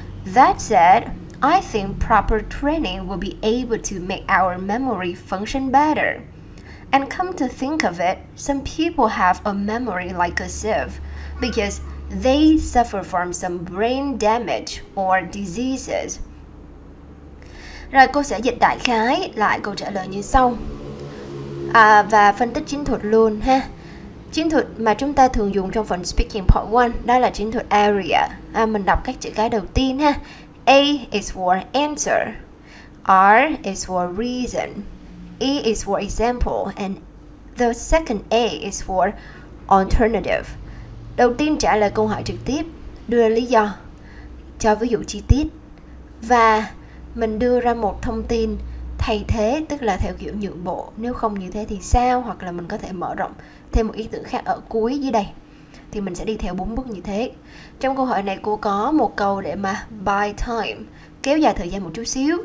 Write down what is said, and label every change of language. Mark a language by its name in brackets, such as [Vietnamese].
[English] That said, I think proper training will be able to make our memory function better. And come to think of it, some people have a memory like a sieve because they suffer from some brain damage or diseases. [Vietnamese] Rồi cô sẽ dịch đại khái lại câu trả lời như sau. Và phân tích chiến thuật luôn ha. Chiến thuật mà chúng ta thường dùng trong phần speaking part 1 đó là chiến thuật area. Mình đọc các chữ cái đầu tiên ha. [English] A is for answer, R is for reason, E is for example, and the second A is for alternative. [Vietnamese] Đầu tiên trả lời câu hỏi trực tiếp, đưa lý do, cho ví dụ chi tiết, và mình đưa ra một thông tin thay thế, tức là theo kiểu nhượng bộ, nếu không như thế thì sao, hoặc là mình có thể mở rộng thêm một ý tưởng khác ở cuối dưới đây. Thì mình sẽ đi theo 4 bước như thế. Trong câu hỏi này cô có một câu để mà [English] buy time, [Vietnamese] kéo dài thời gian một chút xíu.